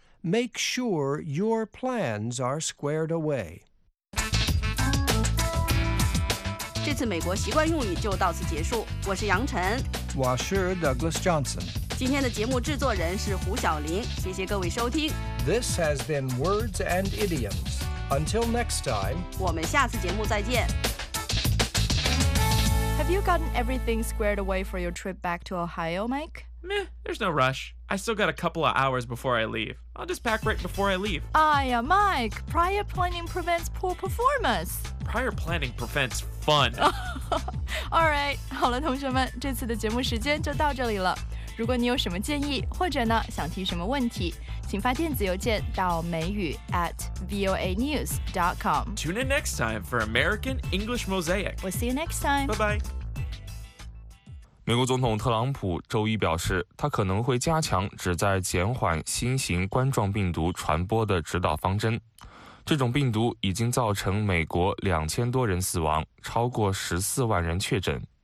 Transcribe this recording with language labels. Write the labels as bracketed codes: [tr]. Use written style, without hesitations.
[en] Make sure your plans are squared away. [zh] 这次美国习惯用语就到此结束，我是杨晨。我是 Douglas Johnson. 今天的节目制作人是胡晓玲，谢谢各位收听。 [en] This has been Words and Idioms. Until next time, [zh] 我们下次节目再见。 [en] Have you gotten everything squared away for your trip back to Ohio, Mike? Meh, there's no rush. I still got a couple of hours before I leave. I'll just pack right before I leave. Aya, Mike, prior planning prevents poor performance. Prior planning prevents fun. All right, [zh] 好了，同学们，这次的节目时间就到这里了。如果你有什么建议，或者呢想提什么问题，请发电子邮件到美语 @voanews.com. [en] Tune in next time for American English Mosaic. We'll see you next time. Bye bye. [zh] 美国总统特朗普周一表示，他可能会加强旨在减缓新型冠状病毒传播的指导方针。这种病毒已经造成美国2000多人死亡，超过14万人确诊。